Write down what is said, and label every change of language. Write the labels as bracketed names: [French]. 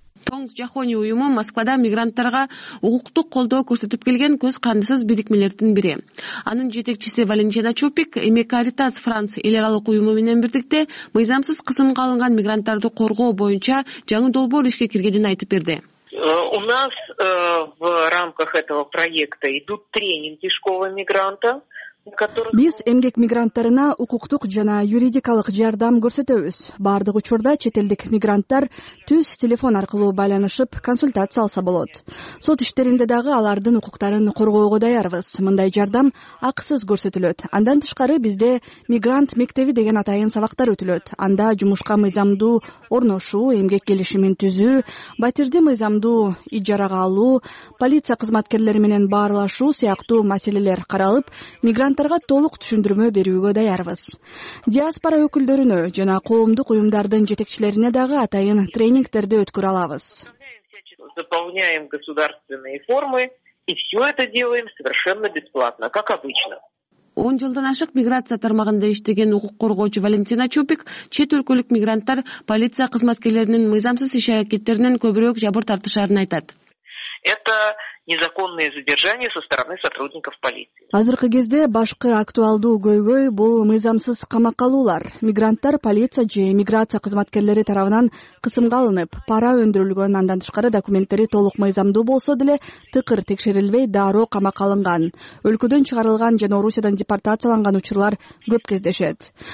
[Kyrgyz] Тоң жахоний уюму Москвада мигранттарга укуктук колдоо көрсөтүп келген көз карандысыз бирикмелердин бири. Анын жетекчиси Валентина Чупик Эмекаритас Франс эл аралык уюму менен бирдикте мыйзамсыз кысымга алынган мигранттарды коргоо боюнча жаңы долбоор ишке киргенин айтып берди. [Russian] У нас в рамках этого проекта идут тренинги школы мигранта. [Kyrgyz] Биз эмгек мигранттарына укуктук жана юридикалык жардам көрсөтөбүз. Бардык учурда чет элдик мигранттар түз телефон аркылуу байланышып консультация алса болот. Сот иштеринде дагы алардын укуктарын коргоого даярбыз. Мындай жардам акысыз көрсөтүлөт. Андан тышкары бизде мигрант мектеби деген атайын сабактар өтүлөт. Анда жумушка мыйзамдуу орношуу, эмгек келишимин түзүү, батирди мыйзамдуу ижарага алуу, полиция кызматкерлери менен баарлашуу сыяктуу маселелер каралып, мигранттарга толук түшүндүрмө берүүгө даярбыз. Диаспора өкүлдөрүнө жана коомдук уюмдардын жетекчилерине дагы атайын тренингдерди өткөрө алабыз. [Russian] Заполняем государственные формы и все это делаем совершенно бесплатно, как обычно. [Kyrgyz] 10 жылдан ашык миграция тармагында иштеген укук коргоочу Валентина Чупик чет өлкөлүк мигранттар полиция кызматкерлеринин мыйзамсыз иш аракеттеринен көбүрөөк жабыр тартышарын айтат. [Russian] Это незаконные задержания со стороны сотрудников полиции. [Kyrgyz] Азыркы кезде башкы актуалдуу көйгөй бул мыйзамсыз камак алуулар. Мигранттар полиция же миграция кызматкерлери тарабынан кысымга алынып, пара өндүрүлгөн, андан тышкары документтери толук мыйзамдуу болсо деле тыкыр текшерилбей дароо камакка алынган. Өлкөдөн чыгарылган жана Орусиядан депортацияланган учурлар көп кездешет.